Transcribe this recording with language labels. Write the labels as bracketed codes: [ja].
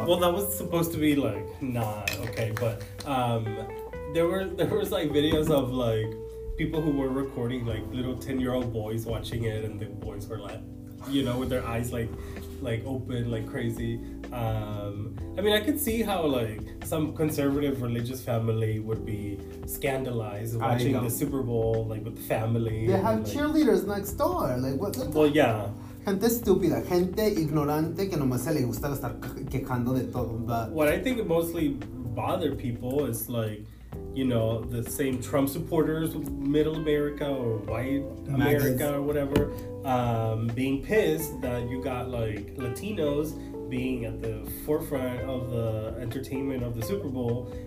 [en] Well, that was supposed to be like not okay, but there was like videos of like people who were recording like little 10-year-old boys watching it, and the boys were like, you know, with their eyes like open like crazy. I mean, I could see how like some conservative religious family would be scandalized watching the Super Bowl like with the family. They have cheerleaders next door. Like, what? Well, yeah. [es] Gente estúpida, gente ignorante que nomás se le gusta estar quejando de todo. [en] But what I think mostly bothered people is like, you know, the same Trump supporters, Middle America or White America or whatever, being pissed that you got like Latinos being at the forefront of the entertainment of the Super Bowl.